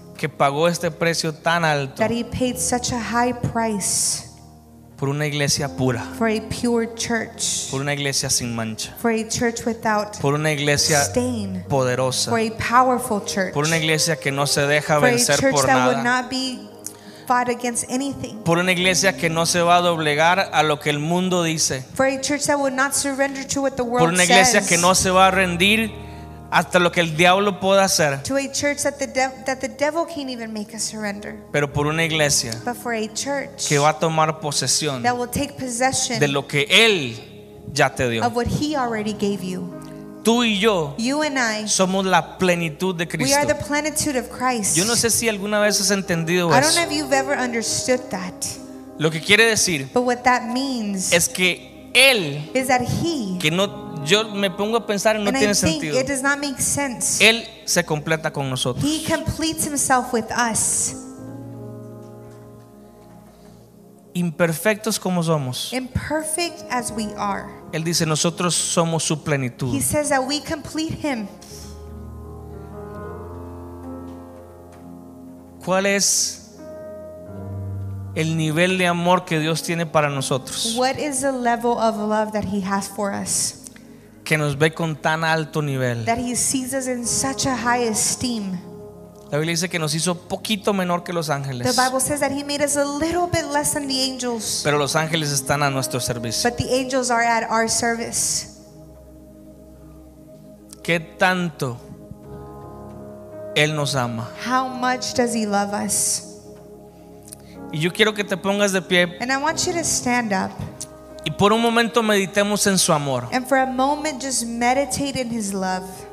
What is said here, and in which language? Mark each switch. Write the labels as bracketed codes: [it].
[es] Que pagó este precio tan alto. [en] That he paid such a high price. [es] Por una iglesia pura. [en] For a pure church. [es] Por una iglesia sin mancha. [en] For a church without stain. [es] Por una iglesia [en] stain. [es] Poderosa. [en] For a powerful church. [es] Por una iglesia que no se deja vencer por nada. [en] For a church that would not be fought against anything. [es] Por una iglesia que no se va a doblegar a lo que el mundo dice. [en] For a church that would not surrender to what the world says. [es] Por una iglesia [en] says. [es] Que no se va a rendir hasta lo que el diablo pueda hacer. [en] To a church that the devil can't even make a surrender. [es] Pero por una iglesia. [en] But for a church. [es] Que va a tomar posesión. [en] That will take possession. [es] De lo que él ya te dio. [en] Of what he already gave you. [es] Tú y yo. [en] You and I. [es] Somos la plenitud de Cristo. [en] We are the plenitude of Christ. [es] Yo no sé si alguna vez has entendido eso. [en] I don't know if you've ever understood that. [es] Lo que quiere decir. [en] But what that means. [es] Es que él. [en] Is that he. [es] Que no. Yo me pongo a pensar y no tiene sentido. [en] It does not make sense. [es] Él se completa con nosotros. [en] He completes himself with us. [es] Imperfectos como somos. [en] Imperfect as we are. [es] Él dice, nosotros somos su plenitud. [en] He says that we complete him. [es] ¿Cuál es el nivel de amor que Dios tiene para nosotros? [en] What is the level of love that he has for us? [es] Que nos ve con tan alto nivel. [en] That he sees us in such a high esteem. [es] La Biblia dice que nos hizo poquito menor que los ángeles. [en] The Bible says that he made us a little bit less than the angels. [es] Pero los ángeles están a nuestro servicio. [en] But the angels are at our service. [es] ¿Qué tanto él nos ama? [en] How much does he love us? [es] Y yo quiero que te pongas de pie. [en] And I want you to stand up. [es] Y por un momento meditemos en su amor. [en] And for a moment just meditate in his love.